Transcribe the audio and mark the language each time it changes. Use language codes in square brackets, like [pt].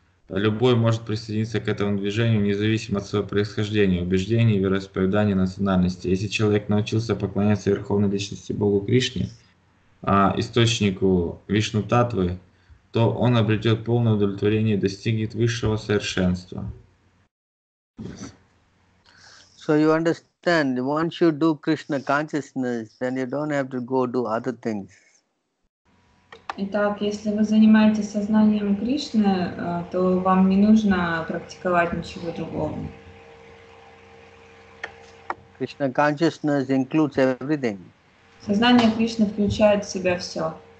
[ru] Любой может присоединиться к этому движению, независимо от своего происхождения, убеждений, вероисповедания, национальности. Если человек научился поклоняться Верховной Личности Богу Кришне, источнику Вишну Таттвы, то он обретет полное удовлетворение и достигнет высшего совершенства. [en] So you understand, once you do Krishna consciousness, then you don't have to go do other things. [ru] Итак, если вы занимаетесь сознанием Кришны, то вам не нужно практиковать ничего другого. [en] Krishna consciousness includes everything. [ru] Сознание Кришны включает в себя все.